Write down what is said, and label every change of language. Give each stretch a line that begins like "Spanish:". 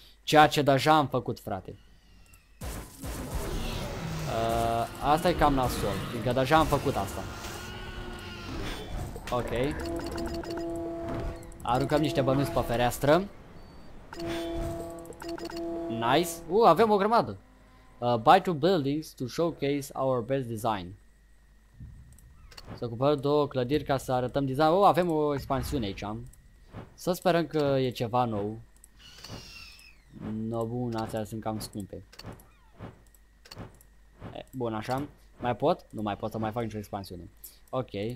Romanian: Ceea ce deja am făcut, frate. Asta e cam nasol, fiindcă deja am făcut asta. Ok. Aruncăm niște bănuți pe fereastră. Nice. Avem o grămadă.
English: Buy two buildings to showcase our best design.
Romanian: Să cumpărăm două clădiri ca să arătăm design. Avem o expansiune aici. Să sperăm că e ceva nou. No, bun, astea sunt cam scumpe. Bun, așa. Mai pot? Nu mai pot să mai fac nicio expansiune. Ok.